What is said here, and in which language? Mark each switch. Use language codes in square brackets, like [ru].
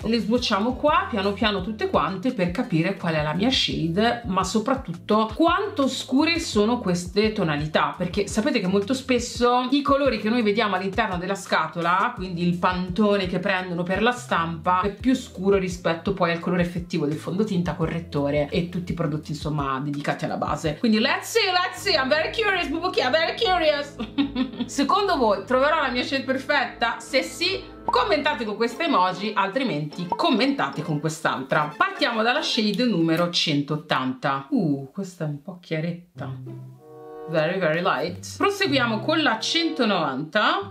[it] Le sbocciamo qua piano piano tutte quante per capire qual è la mia shade, ma soprattutto quanto scure sono queste tonalità, perché sapete che molto spesso i colori che noi vediamo all'interno della scatola, quindi il pantone che prendono per la stampa, è più scuro rispetto poi al colore effettivo del fondotinta, correttore e tutti i prodotti insomma dedicati alla base. Quindi [en] let's see, I'm very curious, bubuki, I'm very curious. [it] Secondo voi troverò la mia shade perfetta? Se sì, commentate con questa emoji, altrimenti commentate con quest'altra. Partiamo dalla shade numero 180. Questa è un po' chiaretta. [en] Very very light. [it] Proseguiamo con la 190.